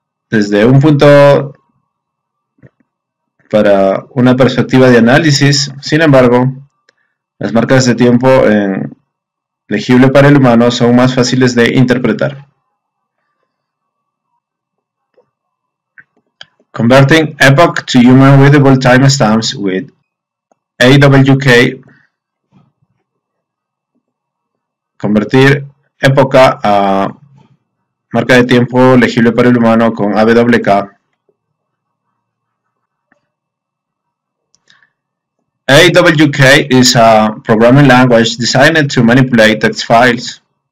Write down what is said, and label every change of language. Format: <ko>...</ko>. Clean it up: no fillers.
<es>Desde un punto para una perspectiva de análisis, sin embargo, las marcas de tiempo en legible para el humano son más fáciles de interpretar.</es> <en>Converting epoch to human readable timestamps with AWK.</en> <es>Convertir época a marca de tiempo legible para el humano con AWK.</es> <en>AWK is a programming language designed to manipulate text files.</en>